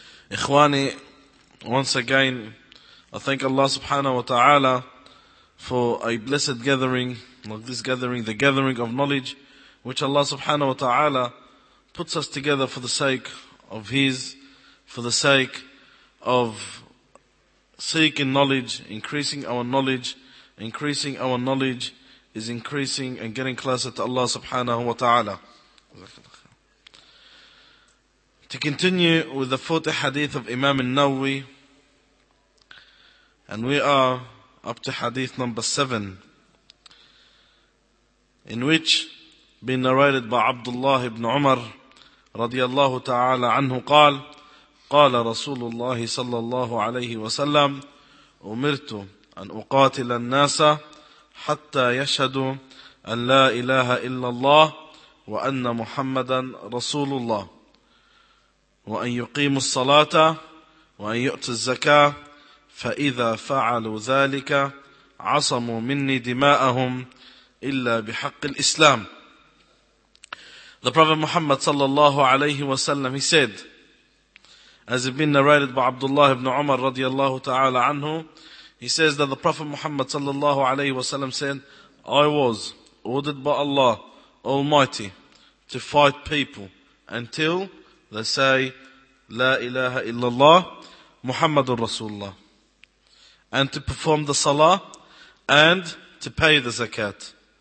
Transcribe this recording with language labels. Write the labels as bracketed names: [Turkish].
[English] Ikhwani, once again, I thank Allah subhanahu wa ta'ala for a blessed gathering like this gathering, the gathering of knowledge, which Allah subhanahu wa ta'ala puts us together for the sake of His, for the sake of seeking knowledge, increasing our knowledge. Increasing our knowledge is increasing and getting closer to Allah subhanahu wa ta'ala. To continue with the 40 hadith of Imam al-Nawawi, and we are up to hadith number 7, in which been narrated by Abdullah ibn Umar radiyallahu ta'ala anhu, [Arabic] قال رسول الله صلى الله عليه وسلم أمرت أن أقاتل الناس حتى يشهدوا أن لا إله إلا الله وأن محمدا رسول الله وأن يقيموا الصلاة وأن يؤتوا الزكاة فإذا فعلوا ذلك عصموا مني دماءهم إلا بحق الإسلام. [English] The Prophet Muhammad صلى الله عليه وسلم, he said, as it been narrated by Abdullah ibn Umar radiallahu ta'ala anhu, he says that the Prophet Muhammad sallallahu alayhi wa sallam said, I was ordered by Allah Almighty to fight people until they say, [Arabic] La ilaha illallah, Muhammadur Rasulullah, [English] and to perform the salah and to pay the zakat.